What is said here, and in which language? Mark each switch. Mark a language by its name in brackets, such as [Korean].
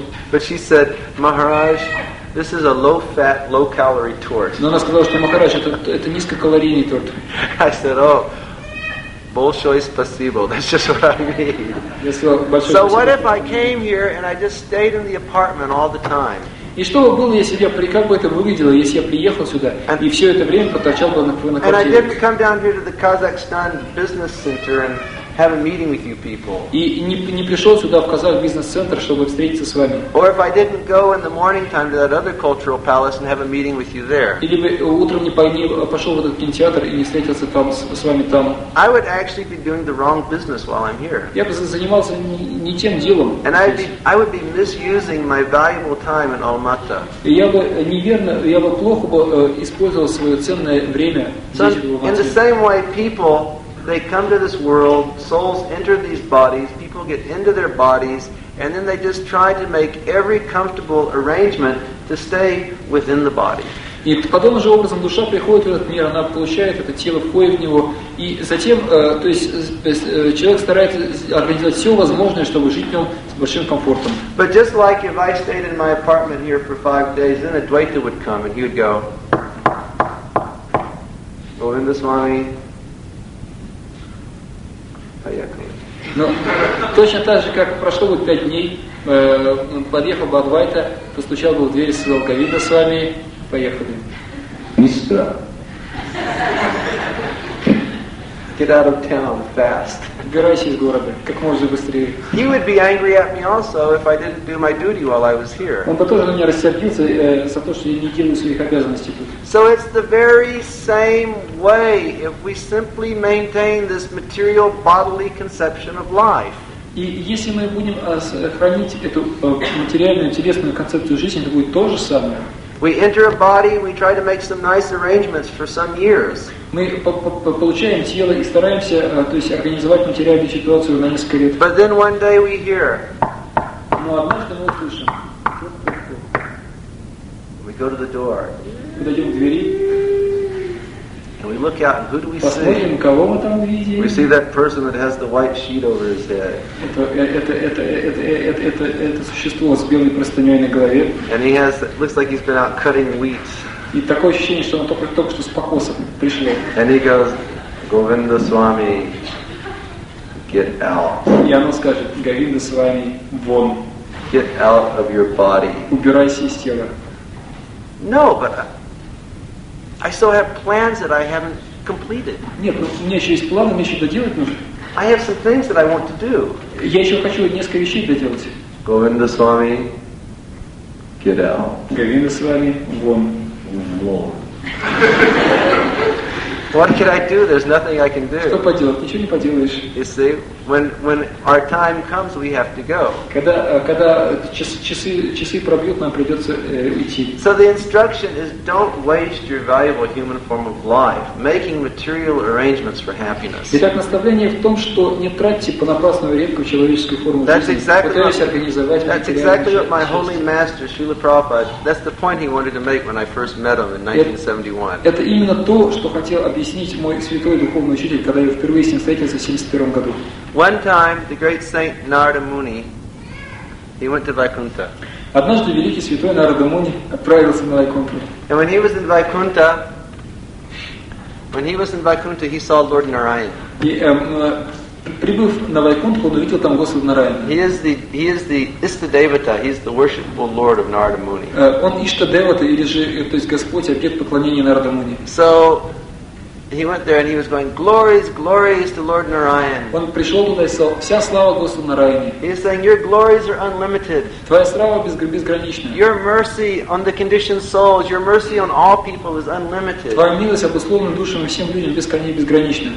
[English] But she said, "Maharaj, this is a low-fat, low-calorie tort." [Russian] Но она сказала, что Махарадж, это низкокалорийный торт. [English] I said, "Oh, [Russian] большое спасибо. [English] That's just what I mean." [Russian] Я сказал, большое спасибо. [English] So what if I came here and I just stayed in the apartment all the time? [Russian] И что бы было, если бы я, как бы это выглядело, если я приехал сюда и все это время поторчал бы на квартире? [English] And I didn't come down here to the Kazakhstan business center and have a meeting with you people. [Russian] И не пришел сюда в Казах бизнес-центр, чтобы встретиться с вами. [English] Or if I didn't go in the morning time to that other cultural palace and have a meeting with you there. [Russian] Или бы утром не пошел в этот кинотеатр и не встретился там с вами там. [English] I would actually be doing the wrong business while I'm here. [Russian] Я бы занимался не тем делом. [English] And I would be misusing my valuable time in Алматы. [Russian] И я бы плохо бы использовал свое ценное время здесь, в Алмате. [English] In the same way, people. They come to this world, souls enter these bodies, people get into their bodies, and then they just try to make every comfortable arrangement to stay within the body. [Russian] И подобным же образом душа приходит в этот мир, она получает это тело, входит в него, и затем, то есть человек старается организовать все возможное, чтобы жить в нем с большим комфортом. [English] But just like if I stayed in my apartment here for 5 days, then a Dvaita would come and he would go, Govinda Swami. [Russian] Ну, точно так же, как прошло бы 5 дней, подъехал бы Адвайта, постучал бы в дверь, сказал Говинда Свами, поехали. [English] Мистер. Get out of town fast. [Russian] Убирайся из города, как можно быстрее. [English] He would be angry at me also if I didn't do my duty while I was here. [Russian] Он бы тоже на меня рассердился за то, что я не делаю своих обязанностей тут. [English] So it's the very same way if we simply maintain this material bodily conception of life. [Russian] И если мы будем хранить эту материальную телесную концепцию жизни, это будет то же самое. [English] We enter a body, we try to make some nice arrangements for some years. [Russian] Мы получаем тело и стараемся, то есть организовать материальную ситуацию на несколько лет. [English] But then one day we hear. [Russian] Но однажды мы услышим. [English] We go to the door. [Russian] Подойдем к двери. [English] And we look out, and who do we see? [Russian] Посмотрим, кого мы там видим. [English] We see that person that has the white sheet over his head. [Russian] Это существо с белой простыней на голове. [English] And he has, it looks like he's been out cutting wheat. [Russian] И такое ощущение, что он только что с покосом пришел. [English] And he goes, Govinda Swami, get out. [Russian] И оно скажет, Говинда Свами, вон. [English] Get out of your body. [Russian] Убирайся из тела. [English] No, but I still have plans that I haven't completed. [Russian] Нет, ну, у меня еще есть планы, мне еще доделать нужно. [English] I have some things that I want to do. [Russian] Я еще хочу несколько вещей доделать. [English] Govinda Swami, get out. [Russian] Govinda Swami, вон. [English] What can I do? There's nothing I can do. [Russian] Что поделать? Ничего не поделаешь. [English] You see, when our time comes, we have to go. [Russian] Когда часы пробьют, нам придется уйти. [English] So the instruction is: don't waste your valuable human form of life making material arrangements for happiness. [Russian] Итак, наставление в том, что не тратьте понапрасну редкую человеческую форму жизни. [English] That's exactly. That's exactly what my holy master Srila Prabhupada. That's the point he wanted to make when I first met him in 1971. [Russian] Это именно то, что хотел объяснить мой святой духовный учитель, когда я впервые с ним встретился в 1971 году. [English] One time, the great saint Narada Muni, he went to Vaikuntha. [Russian] Однажды великий святой Нарада Муни отправился на Вайкунту. [English] And when he was in Vaikuntha, he saw Lord Narayan. [Russian] И прибыв на Вайкунту, он увидел там Господа Нараяна. [English] He is the Ishtadevata. He is the worshipful lord of Narada Muni. [Russian] Он Ishtadevata, или же, то есть Господь, объект поклонения Нарада Муни. [English] So he went there and he was going, glories, glories to Lord Narayan. [Russian] Он пришел туда и сказал, вся слава Господу Нараяне. [English] He is saying, your glories are unlimited. [Russian] Твоя слава безгранична. [English] Your mercy on the conditioned souls, your mercy on all people is unlimited. [Russian] Твоя милость обусловлена душами всем людям безгранична.